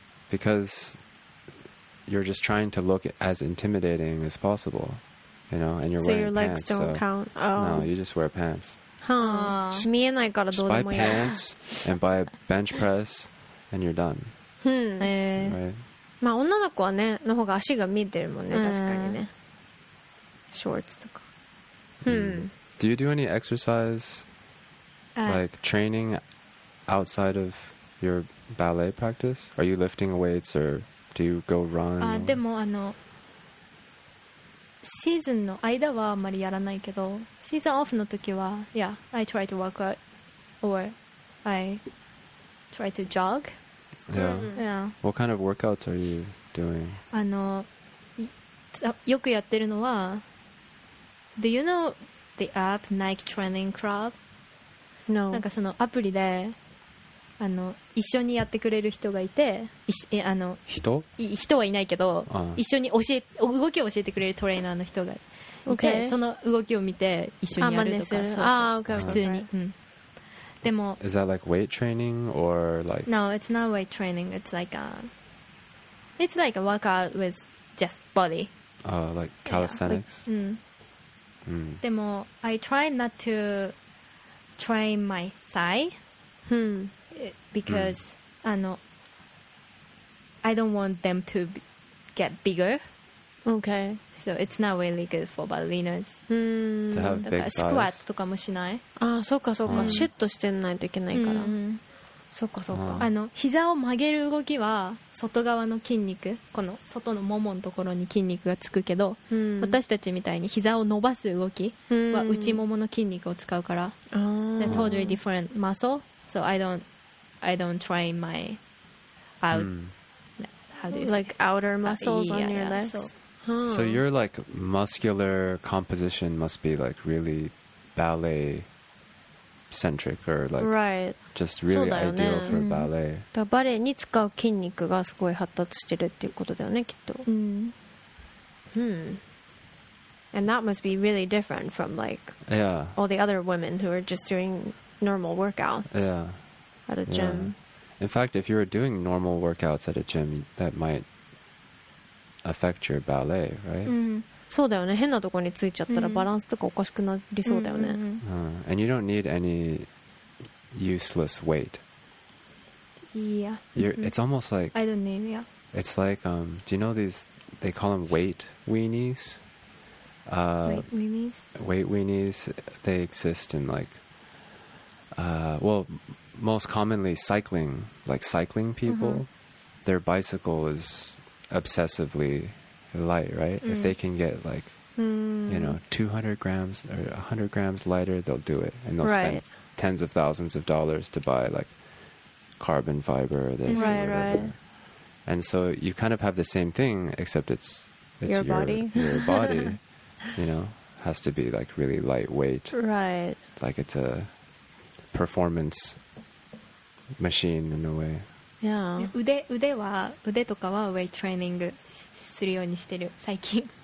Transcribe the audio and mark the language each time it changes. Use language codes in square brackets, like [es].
[en] Because you're just trying to look as intimidating as possible, you know, and you're so wearing your pants. So your legs don't so count? Oh. No, you just wear pants. Huh. Me and I got to do it. Buy pants and buy a bench press and you're done. Hmm. Right? [ja] まあ女の子はねの方が足が見えてるもんね、確かにね、ショーツとか、うん、 [en] Do you do any exercise like training outside of your ballet practice? Are you lifting weights or do you go run? [ja] あ、でもあのシーズンの間はあんまりやらないけど、シーズンオフの時は [en] Yeah, I try to work out or I try to jog Yeah. Yeah. What kind of workouts are you doing? [ja] あの、よくやってるのは、 [en] Do you know the app Nike Training Club? No. [ja] なんかそのアプリで、あの、一緒にやってくれる人がいて、あの、人はいないけど、一緒に動きを教えてくれるトレーナーの人がいて、 [en] okay. [ja] その動きを見て一緒にやるとか、 [en] ah, [ja] そうそう、 [en] ah, okay, okay. [ja] 普通に。うん、でも [en] is that like weight training or like no it's not weight training it's like a workout with just body like calisthenics yeah, でも I try not to train my thigh because あの I don't want them to get bigger okay so it's not really good for ballerinas to have big [ja] thighs スクワットとかもしない。ああ、そうかそうか、シュッとしてないといけないから、そうかそうか、あの膝を曲げる動きは外側の筋肉、この外のもものところに筋肉がつくけど、私たちみたいに膝を伸ばす動きは内ももの筋肉を使うから、あ、 [en] totally different muscle so I don't train my out Like outer muscles on your legs. So your like muscular composition must be like really ballet centric or like right. Just really ideal for ballet. [ja] だバレーに使う筋肉がすごい発達してるっていうことだよね、きっと。 [en] And that must be really different from like yeah. all the other women who are just doing normal workouts yeah. at a gym. Yeah. In fact, if you're doing normal workouts at a gym, that might affect your ballet, right? [ja] そうだよね。変なとこについちゃったらバランスとかおかしくなりそうだよね。 [en] And you don't need any useless weight. Yeah. It's almost like... I don't need, yeah. It's like, do you know these... They call them weight weenies? Weight weenies. They exist in like... well, most commonly cycling. Like cycling people. Mm-hmm. Their bicycle is obsessively... light, right? If they can get like, you know, 200 grams or 100 grams lighter, they'll do it. And they'll spend tens of thousands of dollars to buy like carbon fiber or this or whatever. Right. And so you kind of have the same thing, except it's your body. Your body, you know, has to be like really lightweight. Right. Like it's a performance machine in a way. Yeah. [ja] 腕とかはウェイトトレーニングするようにしてる最近。